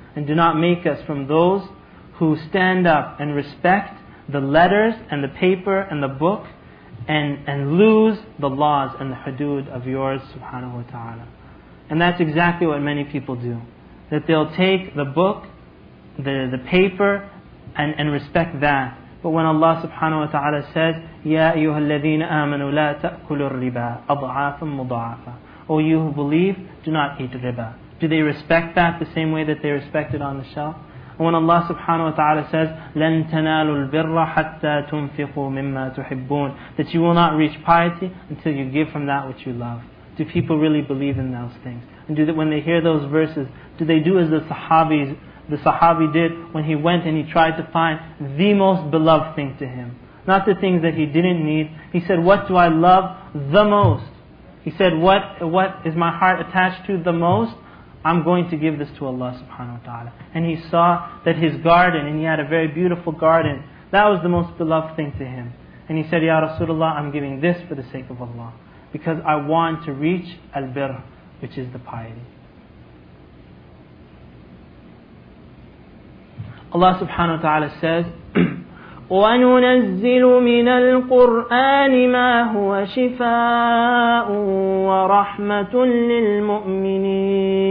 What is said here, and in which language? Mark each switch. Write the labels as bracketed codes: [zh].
[en] And do not make us from those who stand up and respect the letters and the paper and the book and lose the laws and the hudud of yours, subhanahu wa ta'ala. And that's exactly what many people do. That they'll take the book, the paper, and respect that. But when Allah subhanahu wa ta'ala says, [ar] يَا أَيُّهَا الَّذِينَ آمَنُوا لَا تَأْكُلُوا الرِّبَا أَضْعَافًا مُضَعَافًا. [en] O you who believe, do not eat riba. Do they respect that the same way that they respect it on the shelf? And when Allah subhanahu wa ta'ala says, [ar] لَن تَنَالُوا الْبِرَّ حَتَّى تُنْفِقُوا مِمَّا تُحِبُّونَ. [en] That you will not reach piety until you give from that which you love. Do people really believe in those things? And do that when they hear those verses, do they do as the Sahabi did when he went and he tried to find the most beloved thing to him? Not the things that he didn't need. He said, what do I love the most? He said, what is my heart attached to the most? I'm going to give this to Allah subhanahu wa ta'ala. And he saw that his garden, and he had a very beautiful garden, that was the most beloved thing to him. And he said, Ya Rasulullah, I'm giving this for the sake of Allah, because I want to reach al-birr, which is the piety. Allah subhanahu wa ta'ala says, [ar] وَنُنَزِّلُ مِنَ الْقُرْآنِ مَا هُوَ شِفَاءٌ وَرَحْمَةٌ لِلْمُؤْمِنِينَ.